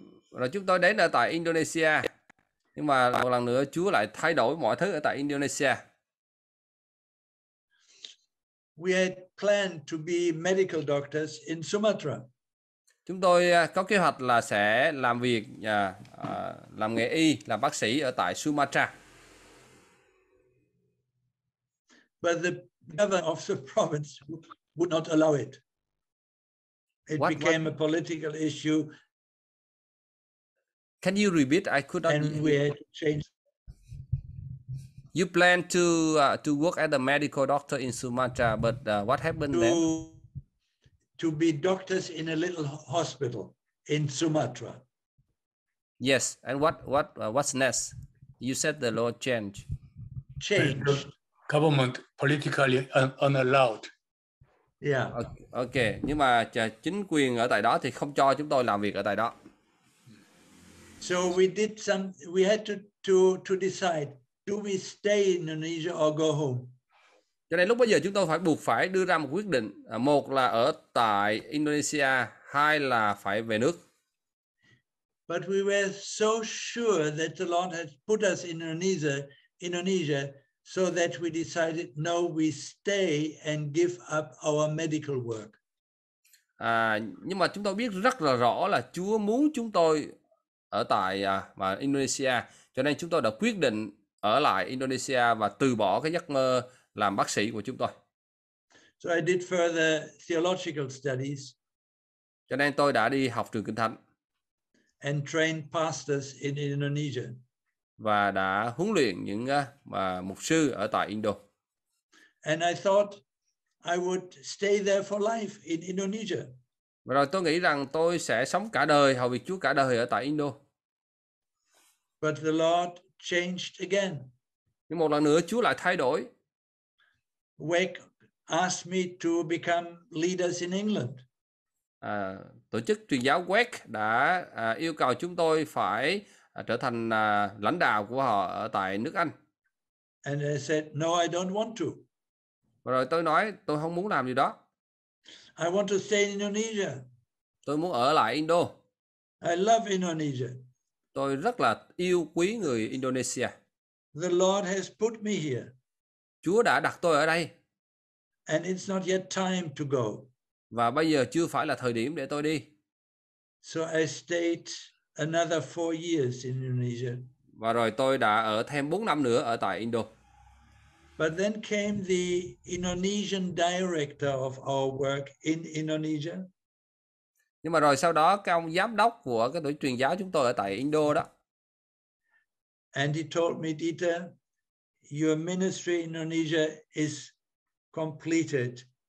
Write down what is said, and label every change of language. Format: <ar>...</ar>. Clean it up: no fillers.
<vi>Rồi chúng tôi đến ở tại Indonesia. Nhưng mà một lần nữa Chúa lại thay đổi mọi thứ ở tại Indonesia.</vi> <en>We had planned to be medical doctors in Sumatra.</en> <vi>Chúng tôi có kế hoạch là sẽ làm việc làm nghề y, làm bác sĩ ở tại Sumatra.</vi> <en>But the governor of the province would not allow it. It what, became what? A political issue. Can you repeat? I could not. And we had to change. You plan to work as a medical doctor in Sumatra, but what happened to, then? To be doctors in a little hospital in Sumatra. Yes, and what's next? You said the law changed. Change. Government politically unallowed. Yeah. Okay.</en> <vi>Nhưng mà chính quyền ở tại đó thì không cho chúng tôi làm việc ở tại đó.</vi> <en>So we did some. We had to decide. Do we stay in Indonesia or go home?</en> <vi>Cho nên lúc bây giờ chúng tôi phải buộc phải đưa ra một quyết định. Một là ở tại Indonesia, hai là phải về nước.</vi> <en>But we were so sure that the Lord had put us in Indonesia. So that we decided, no, we stay and give up our medical work.</en> <vi>Nhưng mà chúng tôi biết rất là rõ là Chúa muốn chúng tôi ở tại Indonesia, cho nên chúng tôi đã quyết định ở lại Indonesia và từ bỏ cái giấc mơ làm bác sĩ của chúng tôi.</vi> <en>So I did further theological studies.</en> <vi>Cho nên tôi đã đi học trường Kinh Thánh.</vi> <en>And trained pastors in Indonesia.</en> <vi>Và đã huấn luyện những mục sư ở tại Indo.</vi> <en>And I thought I would stay there for life in Indonesia.</en> <vi>Và rồi tôi nghĩ rằng tôi sẽ sống cả đời, hầu việc Chúa cả đời ở tại Indo.</vi> <en>But the Lord changed again.</en> <vi>Nhưng một lần nữa Chúa lại thay đổi.</vi> <en>Wake asked me to become leaders in England.</en> <vi>Tổ chức truyền giáo Wake đã yêu cầu chúng tôi phải trở thành lãnh đạo của họ ở tại nước Anh.</vi> <en>And I said, no, I don't want to.</en> <vi>Và rồi tôi nói, tôi không muốn làm gì đó.</vi> <en>I want to stay in Indonesia.</en> <vi>Tôi muốn ở lại Indo.</vi> <en>I love Indonesia.</en> <vi>Tôi rất là yêu quý người Indonesia.</vi> <en>The Lord has put me here.</en> <vi>Chúa đã đặt tôi ở đây.</vi> <en>And it's not yet time to go.</en> <vi>Và bây giờ chưa phải là thời điểm để tôi đi.</vi> <en>So I stayed another 4 years in Indonesia.</en> <vi>Và rồi tôi đã ở thêm 4 năm nữa ở tại Indo.</vi> <en>But then came the Indonesian director of our work in Indonesia.</en> <vi>Nhưng mà rồi sau đó cái ông giám đốc của cái tổ truyền giáo chúng tôi ở tại Indo đó.</vi> <en>And he told me, Dieter, your ministry in Indonesia is completed.</en>